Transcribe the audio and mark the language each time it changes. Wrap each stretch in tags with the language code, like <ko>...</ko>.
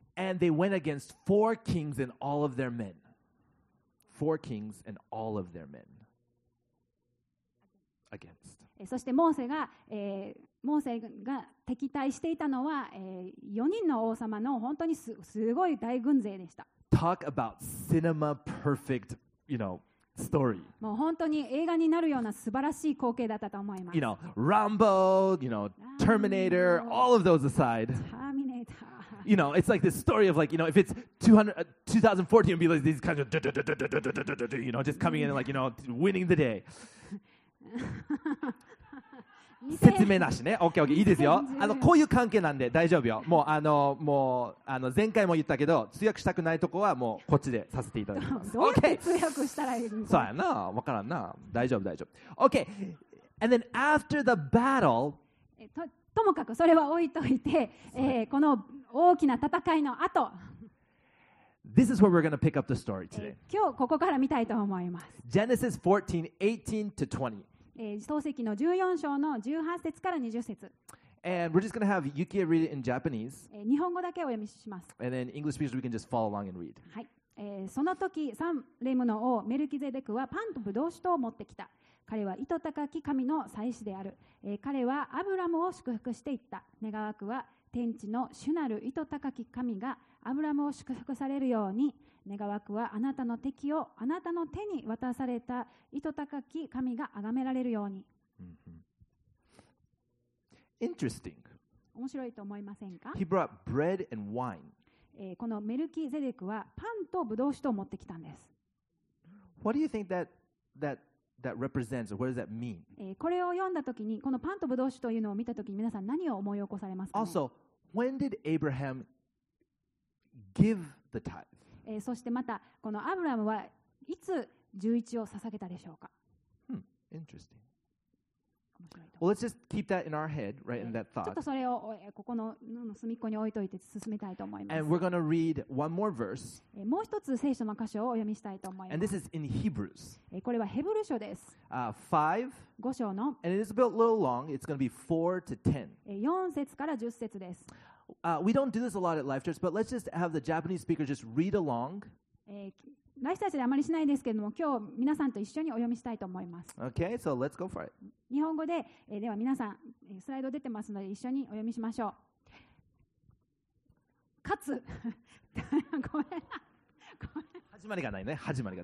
<en>And they went against four kings and all of their men. Four kings and all of their men. Against.</en> <ja>そしてモーセが、モーセが敵対していたのは、4人の王様の本当に すごい大軍勢でした。</ja> <en>Talk about cinema perfect, you know, story.</en> <ja>もう本当に映画になるような素晴らしい光景だったと思います。</ja> <en>You know, Rambo, you know, Terminator, all of those aside. Terminator. You know, it's like this story of like, you know, if it's 2014, it'd be like these kinds of, you know, just coming in and like, you know, winning the day.</en> <ja>説明なしね。OK OK いいですよ。あのこういう関係なんで大丈夫よ。もうあのもうあの前回も言ったけど通訳したくないとこはもうこっちでさせていただきます。 OK どうやって通訳したらいいんだ。そうやな、分からんな。大丈夫大丈夫。</ja> <en>OK And then after the battle</en> <ja>ともかくそれは置いといて、この大きな戦いの後</ja> <en>This is where we're going to pick up the story today.</en> <ja>今日ここから見たいと思います。</ja> <en>Genesis 14, 18 to 20.</en> <ja>創世記の14章の18節から20節。</ja> <en>And we're just going to have Yuki read it in Japanese.</en> <ja>日本語だけお読みします。</ja> <en>And then English speakers, we can just follow along and read.</en> <ja>はい。その時、サンレムの王メルキゼデクはパンとブドウ酒とを持ってきた。彼は糸高き神の祭司である。彼はアブラムを祝福していった。願わくは天地の主なる糸高き神がアブラムを祝福されるように願わくはあなたの敵をあなたの手に渡された糸高き神が崇められるように、</ja> <en>mm-hmm. Interesting.</en> <ja>面白いと思いませんか。</ja> <en>He brought bread and wine.</en> <ja>このメルキゼデクはパンとブドウ酒を持ってきたんです。</ja> <en>What do you think that represents or what does that mean?</en> <ja>これを読んだときにこのパンとブドウ酒というのを見たときに皆さん何を思い起こされますか、ね、</ja> <en>Also, when did Abraham give the tithe?</en> <ja>そしてまたこのアブラムはいつ十一を捧げたでしょうか。</ja> <en>Interesting. Well, let's just keep that in our head, right, in that thought.</en> <ja>ちょっとそれをここの隅っこに置いといて進めたいと思います。</ja> <en>And we're going to read one more verse.</en> <ja>もう一つ聖書の箇所をお読みしたいと思います。</ja> <en>And this is in Hebrews.</en> <ja>これはヘブル書です。</ja> <en>5.</en> <ja>五章の。</ja> <en>And it is a bit a little long. It's going to be 4 to 10.</en> <ja>四節から十節です。</ja> <en>We don't do this a lot at Life Church, but let's just have the Japanese speaker just read along.</en> <ja>ライフチャーチであまりしないですけれども、今日皆さんと一緒にお読みしたいと思います。</ja> <en>Okay, so let's go for it.</en> <ja>日本語で、では皆さん、スライド出てますので一緒にお読みしましょう。かつ、ごめんな、ごめん。始まりがないね、始まりが。</ja>